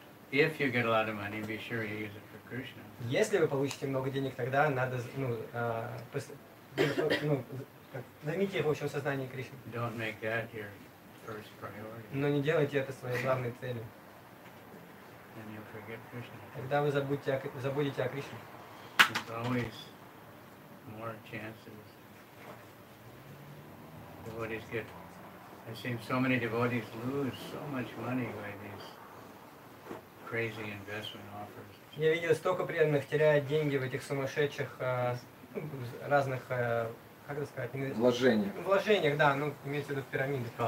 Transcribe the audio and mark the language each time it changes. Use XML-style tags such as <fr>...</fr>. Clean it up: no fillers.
<en>If you get a lot of money, be sure you use it for Krishna.</en> <ru>Если вы получите много денег, тогда надо, ну, займите его еще в сознании Кришны.</ru> <en>Don't make that your first priority.</en> <ru>Но не делайте это своей главной целью.</ru> <en>Then you'll forget Krishna.</en> <ru>Тогда вы забудете о Кришне.</ru> <en>There's always more chances. Devotees get. I've seen so many devotees lose so much money by these crazy investment offers.</en> <ru>Я видел столько преданных теряют деньги в этих сумасшедших разных, как это сказать, вложениях, да, ну, имеется в виду в пирамиды.</ru>